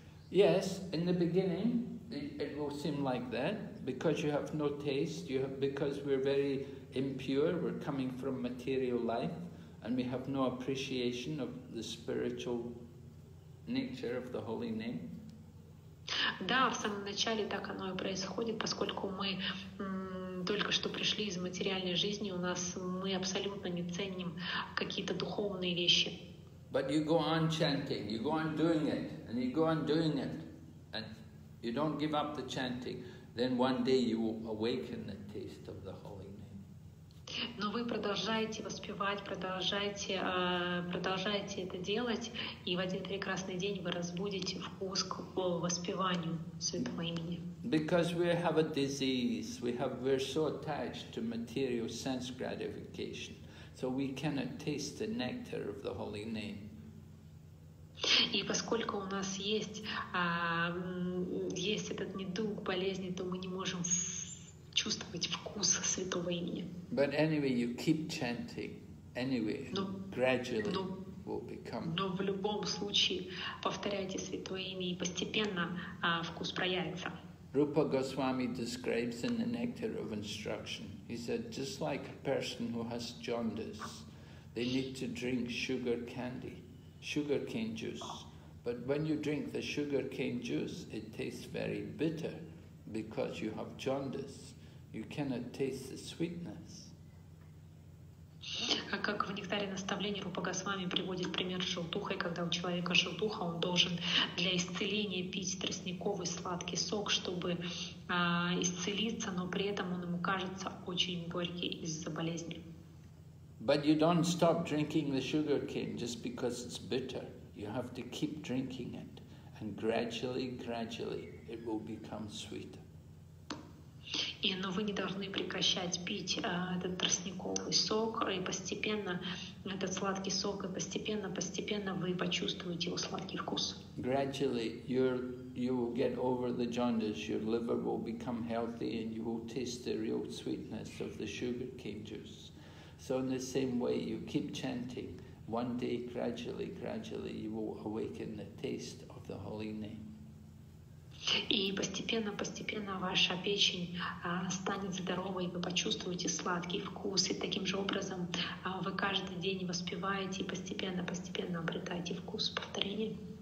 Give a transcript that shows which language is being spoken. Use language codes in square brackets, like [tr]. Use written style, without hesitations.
[en] Yes, in the beginning, it will seem like that. Because you have no taste, because we're very impure, we're coming from material life, and we have no appreciation of the spiritual nature of the holy name. [ru] Да, в самом начале так оно и происходит, поскольку мы только что пришли из материальной жизни, у нас мы абсолютно не ценим какие-то духовные вещи. [en] But you go on chanting, you go on doing it, and you go on doing it, and you don't give up the chanting. Then one day you will awaken the taste of the holy name. [ru] Но вы продолжаете воспевать, продолжаете это делать, и в один прекрасный день вы разбудите вкус к воспеванию святого имени. [en] Because we have a disease, we're so attached to material sense gratification, so we cannot taste the nectar of the holy name. [ru] И поскольку у нас есть этот недуг, болезни, то мы не можем чувствовать вкус святого имени. [en] But anyway, you keep chanting. Anyway, gradually will become. [ru] Но в любом случае повторяйте святое имя, и постепенно вкус проявится. [en] Rupa Goswami describes in the Nectar of Instruction. He said, just like a person who has jaundice, they need to drink sugar candy. Sugar cane juice, but when you drink the sugar cane juice, it tastes very bitter because you have jaundice. You cannot taste the sweetness. [ru] Как в Нектаре наставления Рупа Госвами приводит пример желтуха, и когда у человека желтуха, он должен для исцеления пить тростниковый сладкий сок, чтобы исцелиться, но при этом он ему кажется очень горький из-за болезни. [en] But you don't stop drinking the sugar cane just because it's bitter. You have to keep drinking it, and gradually, it will become sweet. [ru] И но вы не должны прекращать пить этот тростниковый сок, и постепенно этот сладкий сок, и постепенно вы почувствуете его сладкий вкус. [en] Gradually, you will get over the jaundice. Your liver will become healthy, and you will taste the real sweetness of the sugar cane juice. So in the same way, you keep chanting. One day, gradually, you will awaken the taste of the holy name. [ru] И постепенно ваша печень станет здоровой, и вы почувствуете сладкий вкус. И таким же образом вы каждый день воспеваете и постепенно обретаете вкус повторения.